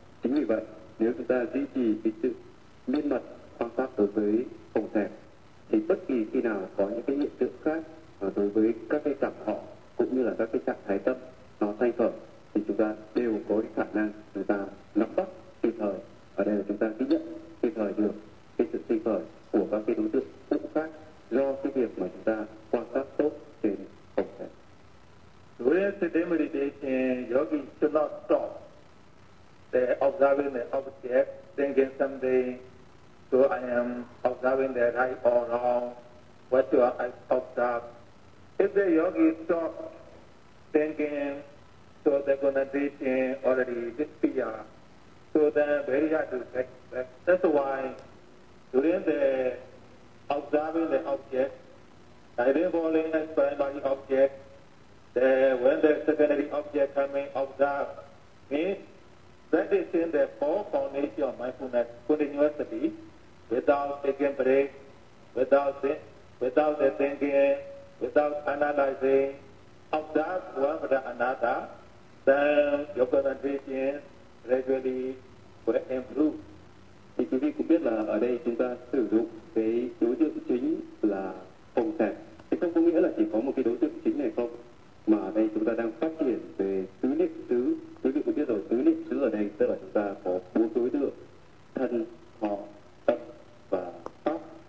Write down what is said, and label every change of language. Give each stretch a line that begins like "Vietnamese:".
Vietnamese: Chính vì vậy, nếu chúng ta duy trì cái sự miên mật quan sát đối với phòng xẹp thì bất kỳ khi nào có những cái hiện tượng khác đối với các cái cảm thọ cũng như là các cái trạng thái tâm nó sanh khởi thì chúng ta đều có cái khả năng chúng ta nắm bắt kịp thời, ở đây là chúng ta ghi nhận kịp thời được cái sự sanh khởi của các cái đối tượng cũng khác do cái việc mà chúng ta quan sát tốt trên phòng xẹp.
English: With the meditation, yogi should not stop the observing the object, thinking something, so I am observing the right or wrong, what do I observe? If the yogi stops thinking, so the concentration already disappears, so then very hard to get back. That's why during the observing the object, diving falling as primary object, the, when the secondary object coming, observe, means that is in the four foundation of mindfulness continuously, without taking break, without thinking, without analyzing, observe one with another, then your concentration gradually will improve.
Vietnamese: Thì quý vị cũng biết là ở đây chúng ta sử dụng cái đối tượng chính là phòng xẹp. Thì không có nghĩa là chỉ có một cái đối tượng chính này không, mà ở đây chúng ta đang phát triển về tứ niệm xứ. Quý vị cũng biết rồi, tứ niệm xứ ở đây tức là chúng ta có bốn đối tượng: thân, thọ, tâm và pháp.